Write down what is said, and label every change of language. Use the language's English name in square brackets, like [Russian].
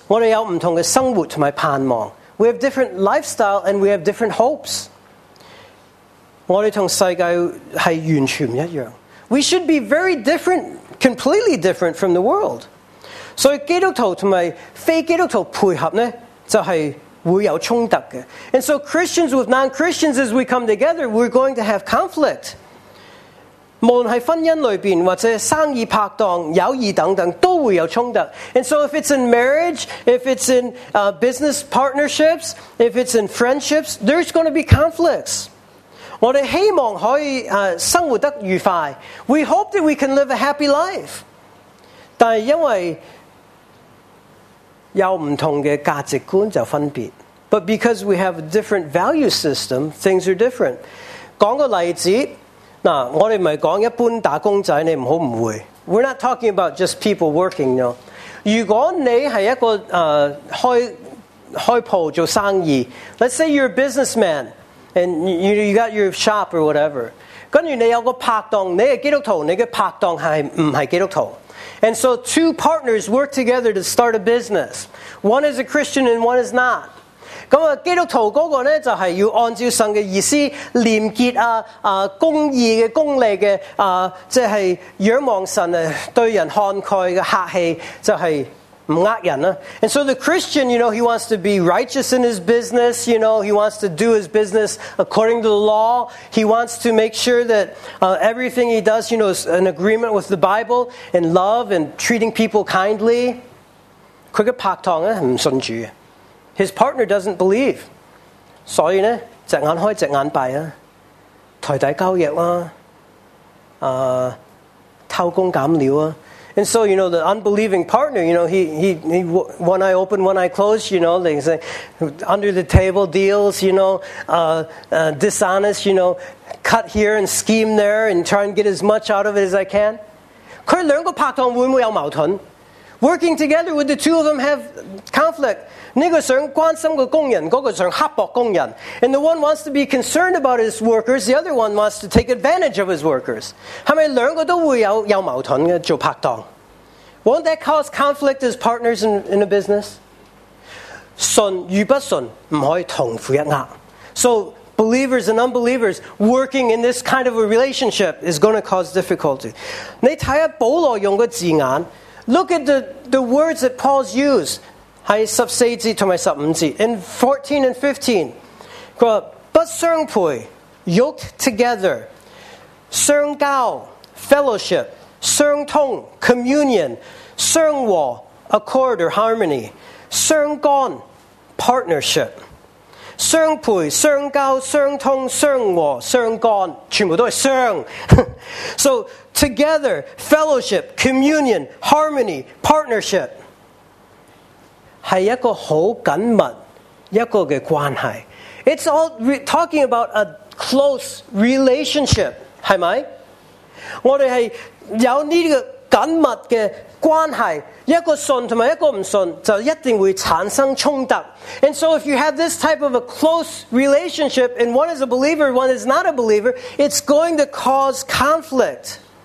[Chinese] 我们有不同的生活和盼望 [English] We have different lifestyle and we have different hopes. [Chinese] 我们同世界是完全不一样 [English] We should be very different, completely different from the world. [Chinese] 所以基督徒和非基督徒配合呢就是会有冲突的 [English] And so Christians with non-Christians as we come together, we're going to have conflict. [Chinese] 无论是婚姻里面或者生意拍档、友谊等等都会有冲突 [English] And so if it's in marriage, if it's in business partnerships, if it's in friendships, there's going to be conflicts. [Chinese] 我们希望可以生活得愉快 [English] We hope that we can live a happy life. [Chinese] 但是因为有不同的价值观就分别 [English] But because we have a different value system, things are different. [Chinese] 讲个例子，嗱，我哋唔系讲一般打工仔，你唔好误会。 [English] We're not talking about just people working, you know. [Chinese] 如果你系一个开铺做生意 [English] ，Let's say you're a businessman and you got your shop or whatever. [Chinese] 跟住你有个拍档，你系基督徒，你嘅拍档系唔系基督徒？ [English] And so two partners work together to start a business. One is a Christian and one is not. [Chinese] 咁啊，基督徒嗰个咧就系要按照神嘅意思，廉洁啊、公义嘅、公利嘅啊，即系仰望神啊，对人慷慨嘅客气，就系唔呃人啦。 [English] And so the Christian, you know, he wants to be righteous in his business. You know, he wants to do his business according to the law. He wants to make sure that everything he does, you know, is in agreement with the Bible and love and treating people kindly. [Chinese] 佢嘅拍档咧唔信主 [English] ，his partner doesn't believe. [Chinese] 所以咧，只眼开只眼闭啊，抬底交易啦，偷工减料啊。 [English] And so, you know, the unbelieving partner, you know, he one eye open, one eye closed, you know, they say, under the table deals, you know, dishonest, you know, cut here and scheme there and try and get as much out of it as I can. [Chinese] 他两个拍档会不会有矛盾? [English] Working together, would the two of them have conflict? [Chinese] 那个想关心个工人，那个想刻薄工人。 [English] And the one wants to be concerned about his workers, the other one wants to take advantage of his workers. [Chinese] 是不是两个都会有矛盾的做拍档? [English] Won't that cause conflict as partners in a business? [Chinese] 信与不信不可以同父一轭。 [English] So believers and unbelievers working in this kind of a relationship is going to cause difficulty. [Chinese] 你看下保罗用的字眼。 [English] Look at the words that Paul's used. [Chinese] 在十四节和十五节 [English] In 14 and 15. [Chinese] 他说不相配 [English] Yoked together. [Chinese] 相交 [English] Fellowship. [Chinese] 相通 [English] Communion. [Chinese] 相和 [English] accord or harmony， [Chinese] 相干 [English] partnership， [Chinese] 相陪、相交、相通、相和、相干，全部都是相。 [English] So together， fellowship， communion， harmony， partnership， [Chinese] 是一个很紧密一个的关系。 [English] It's all talking about a close relationship， [Chinese] 是吗？我们是有这个紧密的关系，一个信和一个不信就一定会产生冲突。 [English] And so if you have this type of a close relationship and one is a believer, one is not a believer, it's going to cause conflict.